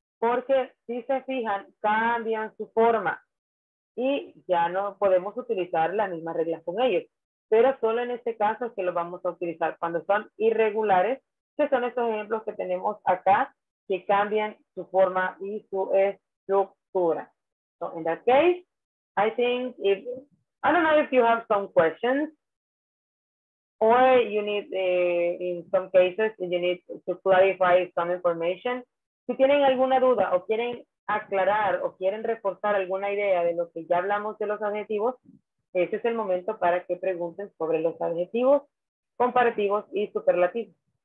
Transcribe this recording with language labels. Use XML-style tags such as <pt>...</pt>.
<es>Porque si se fijan, cambian su forma. Y ya no podemos utilizar las mismas reglas con ellos. Pero solo en este caso es que los vamos a utilizar. Cuando son irregulares, que son estos ejemplos que tenemos acá, que cambian su forma y su estructura.</es> <en>So in that case, I think if, I don't know if you have some questions, or you need, in some cases, you need to clarify some information.</en> <es>Si tienen alguna duda o quieren aclarar o quieren reforzar alguna idea de lo que ya hablamos de los adjetivos, ese es el momento para que pregunten sobre los adjetivos, comparativos y superlativos.</es>